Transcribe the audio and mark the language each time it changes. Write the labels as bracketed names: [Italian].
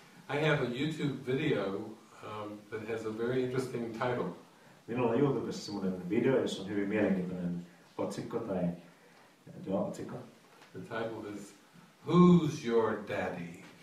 [English] I have a YouTube video that has a very interesting title. [Finnish] Minulla on YouTubessa semmoinen video, jossa on hyvin mielenkiintoinen otsikko tai otsikko. [English] The title is Who's Your Daddy?